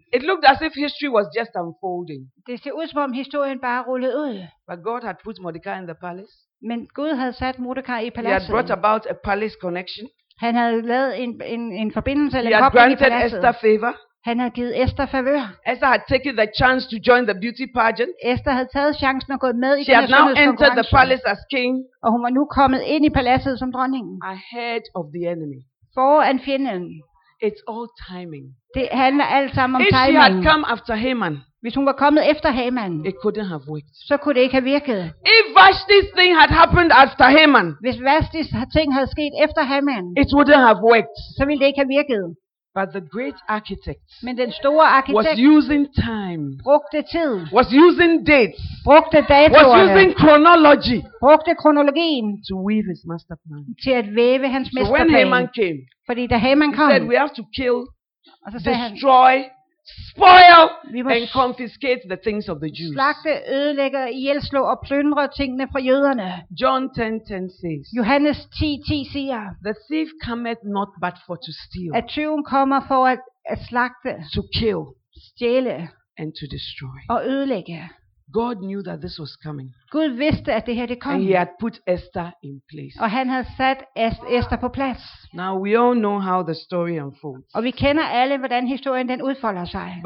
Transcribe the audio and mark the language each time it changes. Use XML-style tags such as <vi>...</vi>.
<en>It looked as if history was just unfolding.</en> <da>Det ser ud som om historien bare rullede ud.</da> <en>But God had put Mordecai in the palace.</en> <da>Men Gud havde sat Mordecai i paladset.</da> <en>He had brought about a palace connection.</en> <da>Han havde lavet en forbindelse eller en kobling i paladset.</da> <en>He had granted Esther favor.</en> <da>Han havde givet Esther favør.</da> <en>Esther had taken the chance to join the beauty pageant.</en> <da>Esther havde taget chancen at gå med i den her skønhedskonkurrence.</da> <en>She had now entered the palace as king.</en> <da>Og hun var nu kommet ind i paladset som dronningen.</da> <en>Ahead of the enemy.</en> <da>Foran fjenden.</da> <en>It's all timing.</en> <da>Det handler alt sammen om</da> <en>if</en> <da>timing.</da> <en>If she had come after Haman.</en> <da>Hvis hun var kommet efter Haman.</da> <en>It couldn't have worked.</en> <da>Så kunne det ikke have virket.</da> <en>If Vashti's thing had happened after Haman.</en> <da>Hvis Vashti's ting havde sket efter Haman.</da> <en>It wouldn't have worked.</en> <da>Så ville det ikke have virket.</da> <en>But the great architect,</en> <da>men den store arkitekt,</da> <en>was using time,</en> <da>brugte tid,</da> <en>was using dates,</en> <da>brugte datoer,</da> <en>was using chronology,</en> <da>brugte kronologien,</da> <en>to weave his master plan,</en> <da>til at væve hans mesterplan.</da> <en>So when Haman came,</en> <da>fordi da Haman kom,</da> <en>said we have to kill, destroy, spoil and confiscate the things of the Jews.</en> <da>Slagte, ødelægge, ihjelslå og plyndre tingene fra jøderne.</da> <en>John 10:10 says.</en> <da>Johannes 10:10 siger.</da> <en>The thief cometh not but for to steal.</en> <da>At tyven kommer for at slagte.</da> <en>To kill.</en> <da>Stjæle.</da> <en>And to destroy.</en> <da>Og ødelægge.</da> <en>God knew that this was coming.</en> <da>Gud vidste at det her det kom.</da> <en>And he had put Esther in place.</en> <da>Og han havde sat Esther på plads.</da> <en>Now we all know how the story unfolds.</en> <da>Og vi kender alle hvordan historien den udfolder sig.</da>